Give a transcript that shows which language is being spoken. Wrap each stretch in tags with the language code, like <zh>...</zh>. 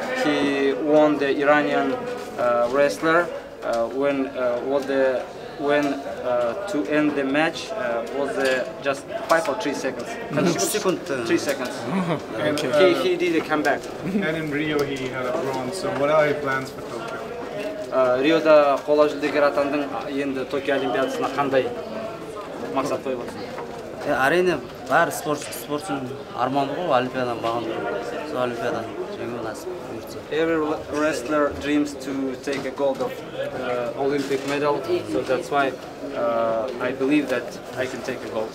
<en>He won the Iranian wrestler to end the match was just 5 or 3 seconds. 3 seconds. Okay. He did a comeback. And in Rio he had a bronze. So what are your plans for Tokyo?</en> <kk>Rio-da қола жүлдегер атандың енді Токио Олимпиадасына қандай мақсат қойып отырсың? Әрине бәрі спортшының арманы ғой олимпиаданы бағындыру. Сол олимпиаданы.</kk> <en>Every wrestler dreams to take a gold of Olympic medal, so that's why I believe that I can take a gold.</en>